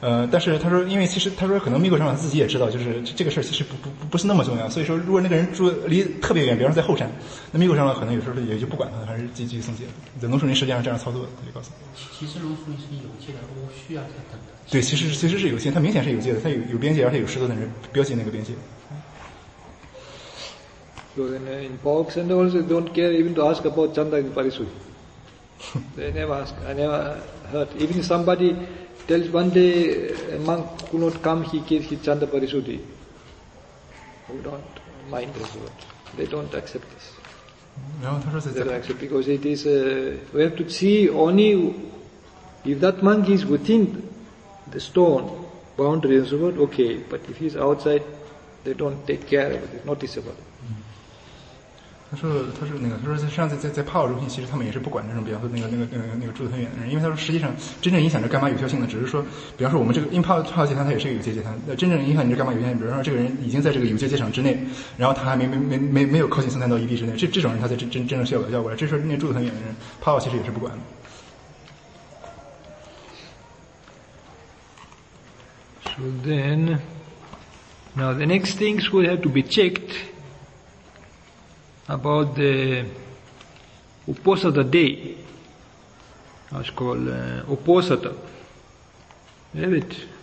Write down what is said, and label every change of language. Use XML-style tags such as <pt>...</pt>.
<zh>但是他说，因为其实他说可能米格长老自己也知道，就是这个事儿其实不是那么重要。所以说，如果那个人住离特别远，比方说在后山，那米格长老可能有时候也就不管他，还是继续送戒。在龙树林实际上这样操作的，他就告诉。其实龙树林是有戒的，我需要再等的。对，其实是有戒，他明显是有戒的，他有边界，而且有石头在那边标记那个边界。</zh> <en>So then in parks and all, they don't care even to ask about Chanda in Parisui. They never ask. I never heard. Even somebody tells one day a monk could not come, he gave his Chanda Parisuti. We don't mind this word. They don't accept this. No, they don't accept because it is, we have to see only if that monk is within the stone boundary and so forth, okay. But if he's outside, they don't take care of it, notice about it.</en> <zh>他说实际上在帕瓦中心，其实他们也是不管这种，比方说那个住得很远的人，因为他说实际上真正影响着干嘛有效性的，只是说，比方说我们这个，因为帕瓦戒坛它也是个有戒戒坛，真正影响你这干嘛有效性，比方说这个人已经在这个有戒戒场之内，然后他还没有靠近僧团到一臂之内，这种人他才真正需要叫过来，这时候那住得很远的人，帕瓦其实也是不管的。</zh> <en>So then, now the next things will have to be checked about the Uposatha day. It's called Uposatha. Have it?</en>